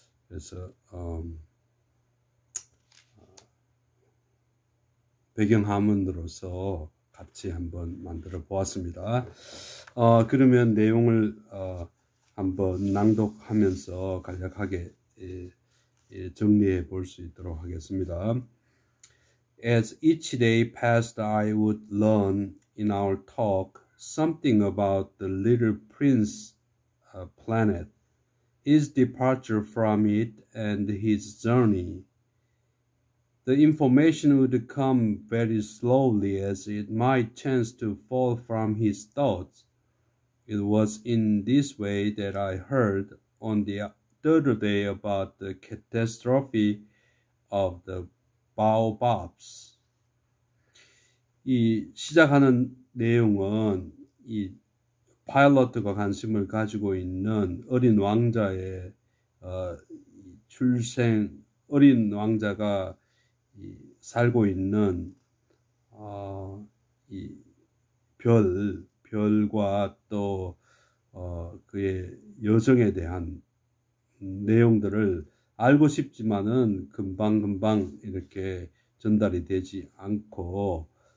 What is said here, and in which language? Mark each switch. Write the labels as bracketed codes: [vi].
[ko] 그래서, 배경화면으로서 같이 한번 만들어 보았습니다. 그러면 내용을 한번 낭독하면서 간략하게 정리해 볼수 있도록 하겠습니다. [en] As each day passed, I would learn in our talk something about the little prince planet, his departure from it, and his journey. The information would come very slowly as it might chance to fall from his thoughts. It was in this way that I heard on the third day about the catastrophe of the baobabs. [ko] 이 시작하는 내용은 이 파일럿과 관심을 가지고 있는 어린 왕자의 출생, 어린 왕자가 살고 있는 이 별과 또 그의 여정에 대한 내용들을 알고 싶지만은 금방금방 이렇게 전달이 되지 않고